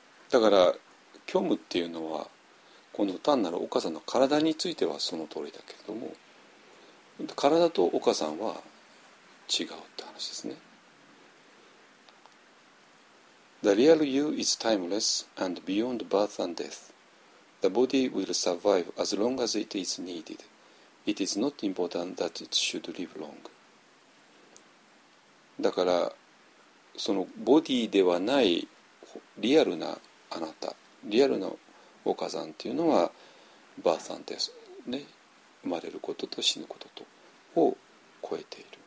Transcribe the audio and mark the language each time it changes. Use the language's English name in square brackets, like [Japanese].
[Japanese] だから虚無っていうのはこの単なるお母さんの体についてはその通りだけれども体とお母さんは違うって話ですね。 [English] The real you is timeless and beyond birth and death. The body will survive as long as it is needed. It is not important that it should live long. [Japanese] だからそのボディではないリアルなあなた、リアルなお母さんというのはバーサンです、ね、生まれることと死ぬこととを超えている。